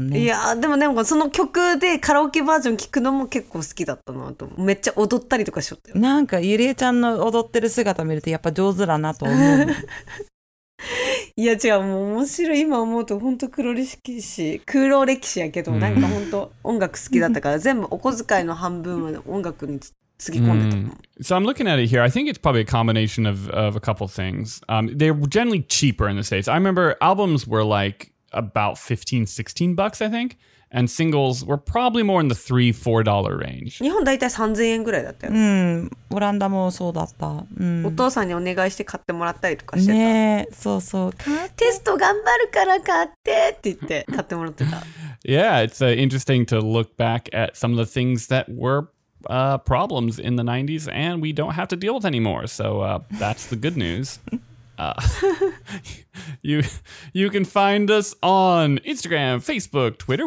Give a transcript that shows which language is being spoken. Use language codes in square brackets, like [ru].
[ja] いやでもなんかその曲でカラオケバージョン聴くのも結構好きだったなと、めっちゃ踊ったりとかしよったよ。なんかゆりえちゃんの踊ってる姿見るとやっぱ上手だなと思う。いや違う、もう面白い、今思うと本当黒歴史、黒歴史やけど、なんか本当音楽好きだったから全部お小遣いの半分は音楽につ [en] So I'm looking at it here. I think it's probably a combination of a couple things. They're generally cheaper in the States. I remember albums were like about $15-16, I think. And singles were probably more in the $3-4 range. [ja] 日本だいたい3000円ぐらいだったよ。オランダもそうだった。お父さんにお願いして買ってもらったりとかしてた。ね、そうそう。テスト頑張るから買ってって言って買ってもらってた。 [en] Yeah, it's interesting to look back at some of the things that were problems in the 90s and we don't have to deal with anymore. So that's the good news. you can find us on Instagram, Facebook, Twitter.